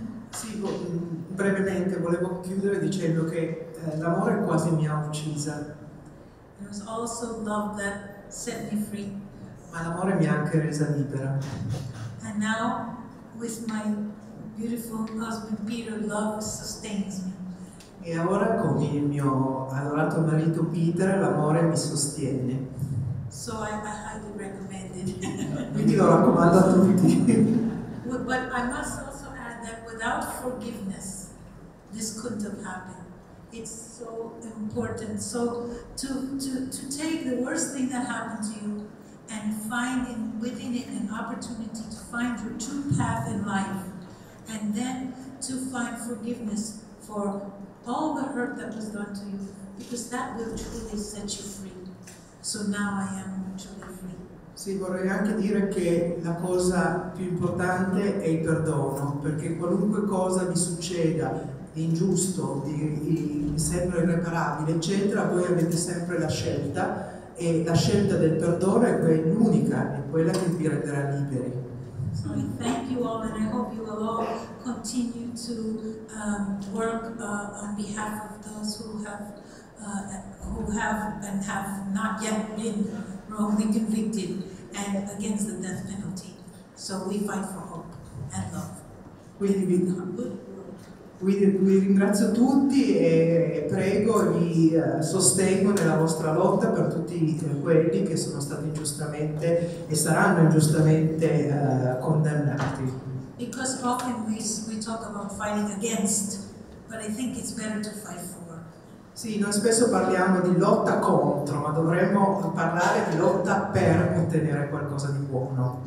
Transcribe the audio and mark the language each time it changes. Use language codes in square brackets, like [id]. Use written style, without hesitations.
[it] Sì, brevemente volevo chiudere dicendo che l'amore quasi mi ha uccisa. [en] It was also love that set me free. [it] Ma l'amore mi ha anche resa libera. [en] And now, with my beautiful husband Peter, love sustains me. [it] E ora con il mio adorato marito Peter, l'amore mi sostiene. [en] So I highly recommend it. [it] Quindi lo raccomando a tutti. [en] But I must also add that without forgiveness, this couldn't have happened. It's so important. So to take the worst thing that happened to you and find within it an opportunity to find your true path in life, and then to find forgiveness for all the hurt that was done to you, because that will truly set you free. So now I am truly free. [it] Sì, vorrei anche dire che la cosa più importante è il perdono, perché qualunque cosa mi succeda di ingiusto, di sempre irreparabile, eccetera, voi avete sempre la scelta, e la scelta del perdono è l'unica, è quella che vi renderà liberi. [en] So I thank you all, and I hope you will all continue to work on behalf of those who have not yet been wrongly convicted and against the death penalty. So we fight for hope and love. [it] Quindi vi ringrazio tutti e prego, vi sostengo nella vostra lotta per tutti quelli che sono stati ingiustamente e saranno ingiustamente condannati. [en] Because often we talk about fighting against, but I think it's better to fight for. [it] Sì, noi spesso parliamo di lotta contro, ma dovremmo parlare di lotta per ottenere qualcosa di buono.